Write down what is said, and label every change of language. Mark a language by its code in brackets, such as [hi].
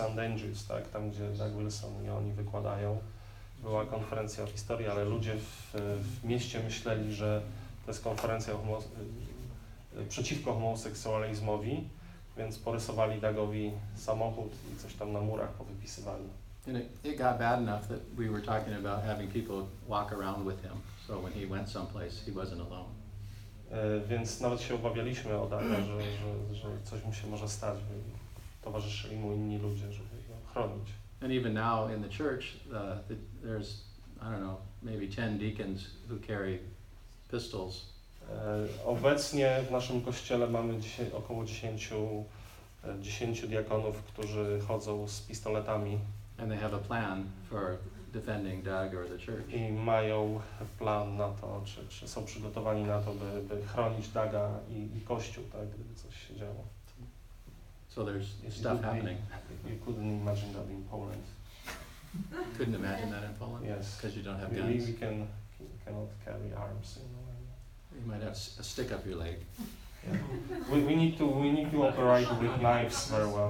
[pl] Andrews, tak, tam gdzie Doug Wilson i oni wykładają, była konferencja o historii, ale ludzie w mieście myśleli, że to jest konferencja przeciwko homoseksualizmowi, więc porysowali Dagowi samochód i coś tam na murach powypisywali. [en] It got bad enough that we were talking about having people walk around with him, so when he went someplace, he wasn't alone. [pl] Więc nawet się obawialiśmy o Daga, że coś mu się może stać, by towarzyszyli mu inni ludzie, żeby go chronić. [en] And even now in the church, there's, I don't know, maybe 10 deacons who carry pistols. [pl] Obecnie w naszym kościele mamy około 10 diakonów, którzy chodzą z pistoletami. [en] And they have a plan for defending Doug or the church. [pl] I mają plan na to, czy są przygotowani na to, by chronić Daga i kościół, tak, gdyby coś się działo. [en] So there's stuff happening. You couldn't imagine that in Poland. Couldn't imagine that in Poland? Yes. Because you don't have guns. Maybe we cannot carry arms in Poland. You might have a stick up your leg. Yeah. We need to operate with knives very well.